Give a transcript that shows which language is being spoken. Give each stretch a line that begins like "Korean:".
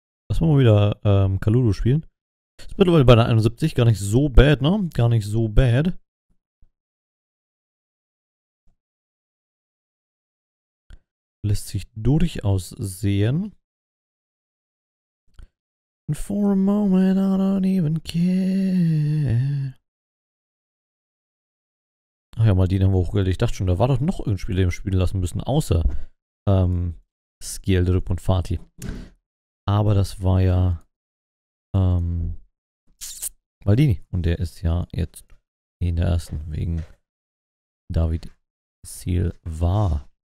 German: Lass mal wieder Kalulu spielen. Ist mittlerweile bei der 71 gar nicht so bad, ne? Gar nicht so bad. Lässt sich durchaus sehen.
English: And for a moment I don't even care.
German: Ach ja, mal die dann hochgeholt. Ich dachte schon, da war doch noch irgendein Spieler, den wir spielen lassen müssen, außer Skjeldrup und Fati. Aber das war ja Maldini. Und der ist ja jetzt in der ersten wegen David Silva.